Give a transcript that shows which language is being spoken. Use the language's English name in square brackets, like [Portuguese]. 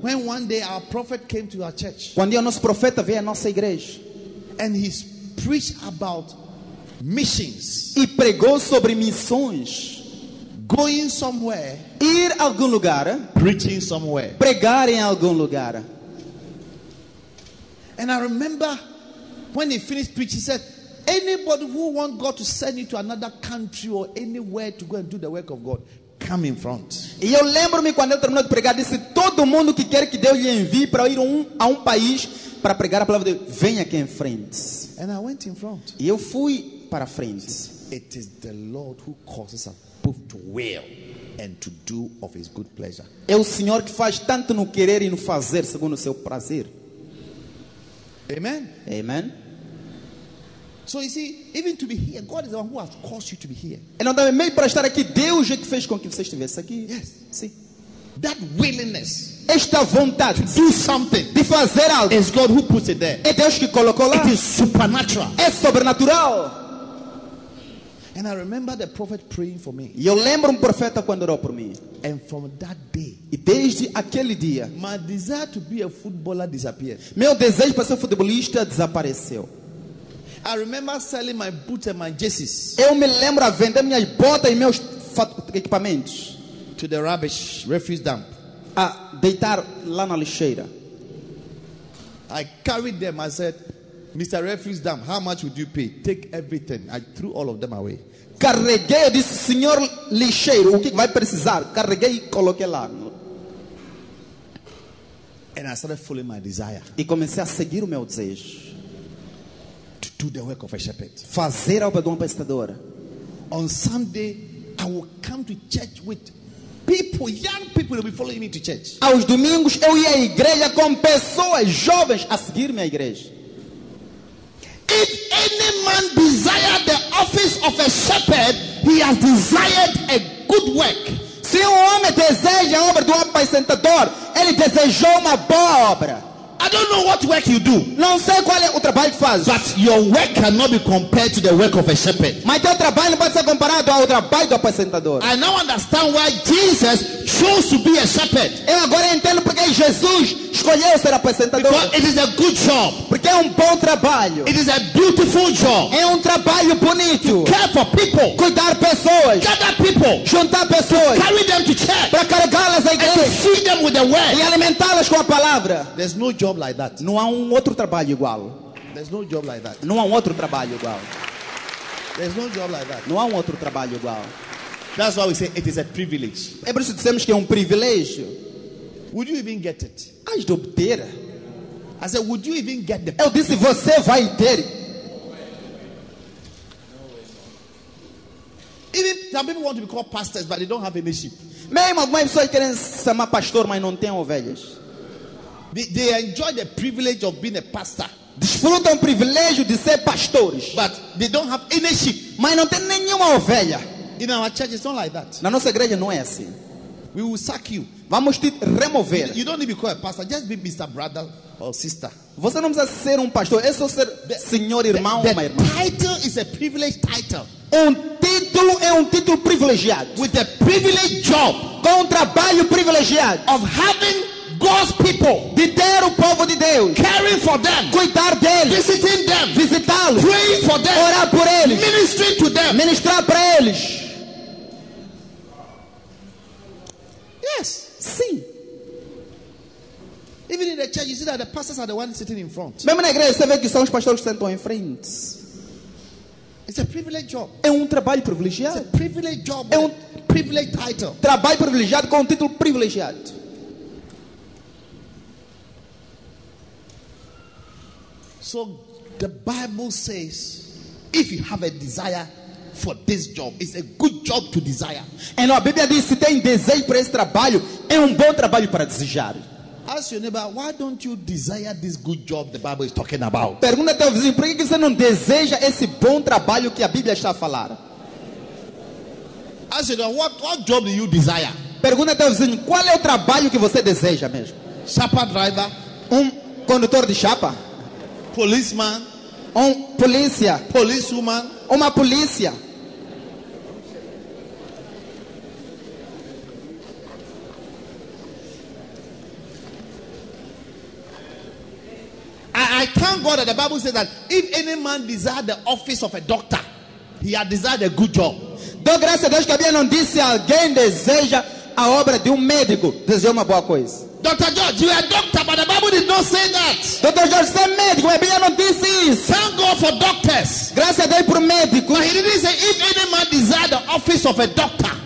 [English] When one day our prophet came to our church, [Portuguese] quando o nosso profeta veio à nossa igreja, [English] and he preached about missions, [Portuguese] e pregou sobre missões. [English] Going somewhere, [Portuguese] ir a algum lugar. [English] Preaching somewhere, [Portuguese] pregar em algum lugar. [English] And I remember when he finished preaching, he said, "Anybody who wants God to send you to another country or anywhere to go and do the work of God, come in front." [Portuguese] E eu lembro-me quando ele terminou de pregar, disse, "Todo mundo que quer que Deus lhe envie para ir a um país para pregar a palavra de Deus, venha aqui em frente." [English] And I went in front. [Portuguese] E eu fui para frente. [English] It is the Lord who causes us both to will and to do of His good pleasure. [Portuguese] É o Senhor que faz tanto no querer e no fazer segundo o seu prazer. [English] Amen. [Portuguese] Amen. [English] So you see, even to be here, God is the one who has caused you to be here. [Portuguese] E não dá nem para estar aqui, Deus é que fez com que você estivesse aqui. [English] Yes. [Portuguese] Sim. [English] That willingness, [Portuguese] esta vontade [English] to do something, [Portuguese] de fazer algo, [English] is God who puts it there. [Portuguese] É Deus que colocou lá. [English] It is supernatural. [Portuguese] É sobrenatural. [English] And I remember the prophet praying for me. [Portuguese] Eu lembro profeta quando orou por mim. [English] And from that day, [Portuguese] e desde aquele dia, [English] my desire to be a footballer disappeared. [Portuguese] Meu desejo para ser futebolista desapareceu. [English] I remember selling my boots and my jerseys. [Portuguese] Eu me lembro a vender minhas botas e meus equipamentos. [English] To the rubbish refuse dump. [Portuguese] A deitar lá na lixeira. [English] I carried them. I said, "Mr. Refuse Dump, how much would you pay? Take everything." I threw all of them away. [Portuguese] Carreguei e disse, "Senhor lixeiro, o que vai precisar?" Carreguei e coloquei lá. [English] And I started following my desire. [Portuguese] E comecei a seguir o meu desejo. [English] To do the work of a shepherd. [Portuguese] Fazer a obra de um pastor. [English] On Sunday, I will come to church with people, young people will be following me to church. [Portuguese] Aos domingos, eu ia à igreja com pessoas jovens a seguir-me à igreja. [English] If any man desire the office of a shepherd, he has desired a good work. [Portuguese] Se homem deseja a obra do apacentador, ele desejou uma boa obra. [English] I don't know what work you do. [Portuguese] Não sei qual é o trabalho que faz. [English] But your work cannot be compared to the work of a shepherd. [Portuguese] Mas teu trabalho não pode ser comparado ao trabalho do apacentador. [English] I now understand why Jesus chose to be a shepherd. [Portuguese] Eu agora entendo porque Jesus escolheu ser apacentador. [English] Because it is a good job. [Portuguese] Porque é bom trabalho. [English] It is a beautiful job. [Portuguese] É trabalho bonito. [English] To care for people. [Portuguese] Cuidar pessoas. [English] Gather people. [Portuguese] Juntar pessoas. [English] To carry them to church. [Portuguese] Para carregá-las à igreja. [English] And to feed them with the word. [Portuguese] E alimentá-las com a palavra. [English] There's no job like that. [Portuguese] Não há outro trabalho igual. [English] There's no job like that. [Portuguese] Não há outro trabalho igual. [English] There's no job like that. [Portuguese] Não há outro trabalho igual. [English] That's why we say it is a privilege. [Portuguese] É por isso que dizemos que é privilégio. [English] Would you even get it? [Portuguese] Hás de obter? [English] I said, would you even get the? [Portuguese] Eu disse, você vai ter. [English] Even some people want to be called pastors, but they don't have any sheep. [Portuguese] Mesmo algumas pessoas querem ser pastor, mas não têm ovelhas. [English] They enjoy the privilege of being a pastor. [Portuguese] Desfrutam o privilégio de ser pastores. [English] But they don't have any sheep. [Portuguese] Mas não têm nenhuma ovelha. [English] In our church, it's not like that. [Portuguese] Na nossa igreja não é assim. [English] We will sack you. [Portuguese] Vamos te remover. [English] You don't need to be called a pastor. Just be Mr. Brother or Sister. [Portuguese] Você não precisa ser pastor. É só ser senhor, irmão ou irmã. [English] The title is a privileged title. [Portuguese] Título é título privilegiado. [English] With a privileged job. [Portuguese] Com trabalho privilegiado. [English] Of having God's people. [Portuguese] De ter o povo de Deus. [English] Caring for them. [Portuguese] Cuidar deles. [English] Visiting them. [Portuguese] Visitá-los. [English] Praying for them. [Portuguese] Orar por eles. [English] Ministering to them. [Portuguese] Ministrar para eles. [English] Yes. [Portuguese] Sim. [English] Even in the church, you see that the pastors are the ones sitting in front. [Portuguese] Mesmo na igreja, você vê que são os pastores que sentam em frente. [English] It's a privilege job. [Portuguese] É trabalho privilegiado. [English] It's a privilege job. [Portuguese] É [English] privilege title. [Portuguese] Trabalho privilegiado com título privilegiado. [English] So the Bible says, if you have a desire for this job, it's a good job to desire. [Portuguese] And a Bíblia diz, se tem desejo para esse trabalho, é bom trabalho para desejar. [English] Ask your neighbor, why don't you desire this good job the Bible is talking about? [Portuguese] Pergunta ao teu vizinho, por que você não deseja esse bom trabalho que a Bíblia está a falar? [English] Ask your neighbor, what job do you desire? [Portuguese] Pergunta ao teu vizinho, qual é o trabalho que você deseja mesmo? [English] Chapa driver, [Portuguese] condutor de chapa? [English] Policeman, [Portuguese] polícia? [English] Policewoman, [Portuguese] uma polícia? [English] I thank God that the Bible says that if any man desire the office of a doctor, he had desired a good job. [Portuguese] Dou graças a Deus que a Bíblia não disse se alguém deseja a obra de médico, deseja uma boa coisa. [English] Dr. George, you are a doctor, but the Bible did not say that. [Portuguese] Dr. George, você é médico, mas a Bíblia não disse isso. [English] Thank God for doctors. [Portuguese] Graças a Deus por médico. [English] But he didn't say if any man desire the office of a doctor.